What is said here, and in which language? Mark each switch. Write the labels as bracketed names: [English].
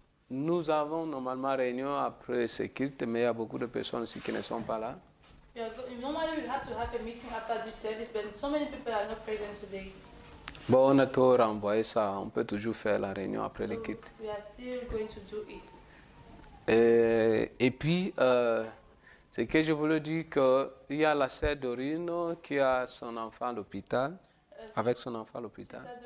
[French] Nous avons normalement réunion après ce culte, mais il y a beaucoup de personnes aussi qui ne sont pas là. [English] Normally, we have to have a meeting after this service, but so many people are not present today. [French] Bon, on a tout renvoyé ça. On peut toujours faire la réunion après le culte. [English] We are still going to do it. [French] C'est que je voulais dire qu'il y a la sœur Dorine qui a son enfant à l'hôpital, avec son enfant à l'hôpital.